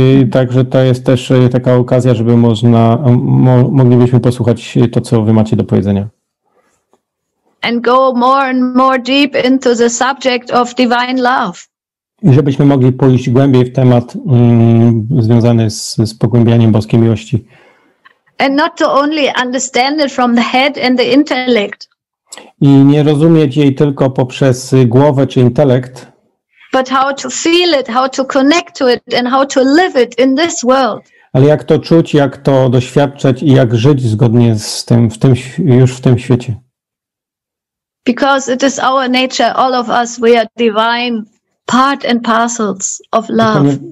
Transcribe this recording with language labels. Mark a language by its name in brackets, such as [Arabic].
[Polish] Także to jest też taka okazja, żeby moglibyśmy posłuchać to, co wy macie do powiedzenia. [English] And go more and more deep into the subject of divine love. [Polish] Żebyśmy mogli pójść głębiej w temat związany z pogłębianiem boskiej miłości. [English] And not to only understand it from the head and the intellect. [Polish] I nie rozumieć jej tylko poprzez głowę czy intelekt. [English] But how to feel it, how to connect to it, and how to live it in this world. [Polish] Ale jak to czuć, jak to doświadczać i jak żyć zgodnie z tym, już w tym świecie. [English] Because it is our nature, all of us, we are divine part and parcels of love.